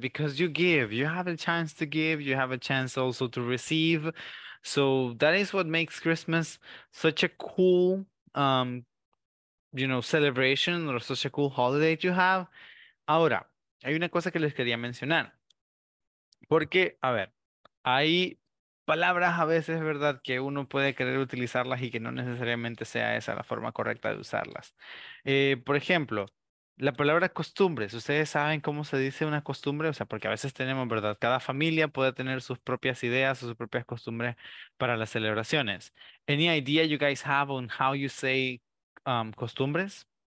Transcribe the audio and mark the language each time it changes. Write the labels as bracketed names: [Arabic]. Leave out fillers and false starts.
[English] Because you give, you have a chance to give. You have a chance also to receive. So that is what makes Christmas such a cool, celebration or such a cool holiday to have. [Spanish] Ahora, hay una cosa que les quería mencionar. Porque, a ver, hay palabras a veces, ¿verdad?, que uno puede querer utilizarlas y que no necesariamente sea esa la forma correcta de usarlas. Por ejemplo, la palabra costumbres. ¿Ustedes saben cómo se dice una costumbre? O sea, porque a veces tenemos, ¿verdad? Cada familia puede tener sus propias ideas o sus propias costumbres para las celebraciones. [English] Any idea you guys have on how you say costumbres?